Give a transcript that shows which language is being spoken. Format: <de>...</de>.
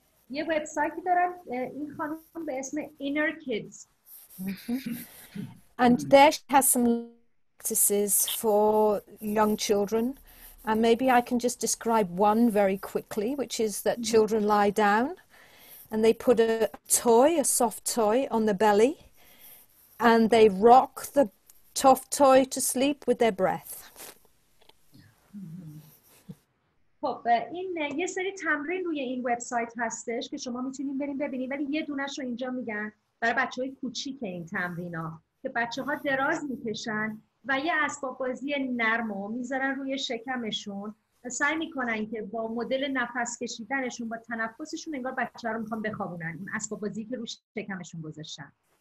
<fa>یه وبسایتی دارن این خانم به اسم Inner Kids.</fa> <en>And there she has some practices for young children. And maybe I can just describe one very quickly, which is that children lie down and they put a toy, a soft toy, on the belly and they rock the tough toy to sleep with their breath.</en> <fa>خب این یه سری تمرین روی این وبسایت هستش که شما میتونید بریم ببینید ولی یه دونش رو اینجا میگن برای بچه‌های کوچیک این تمرین‌ها که بچه‌ها دراز می‌کشن و یه اسباب بازی نرم رو میذارن روی شکمشون سعی میکنن که با مدل نفس کشیدنشون با تنفسشون انگار بچه رو میخوان بخوابونن این اسباب بازی که روی شکمشون گذاشتن</fa>